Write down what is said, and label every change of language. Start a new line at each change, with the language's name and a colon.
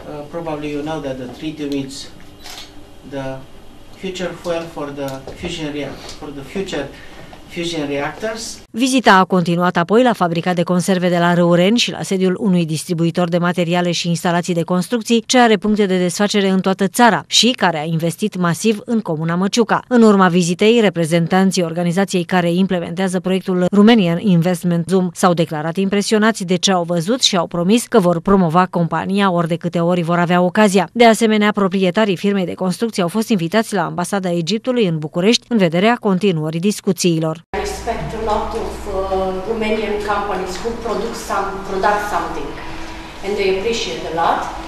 English: Probably you know that the tritium is the future fuel for the fusion reactor, for the future fusion reactors.
Romanian: Vizita a continuat apoi la fabrica de conserve de la Răureni și la sediul unui distribuitor de materiale și instalații de construcții, ce are puncte de desfacere în toată țara și care a investit masiv în comuna Măciuca. În urma vizitei, reprezentanții organizației care implementează proiectul Romanian Investment Zoom s-au declarat impresionați de ce au văzut și au promis că vor promova compania ori de câte ori vor avea ocazia. De asemenea, proprietarii firmei de construcții au fost invitați la Ambasada Egiptului în București în vederea continuării discuțiilor.
English: Lot of Romanian companies who produce something, and they appreciate a lot.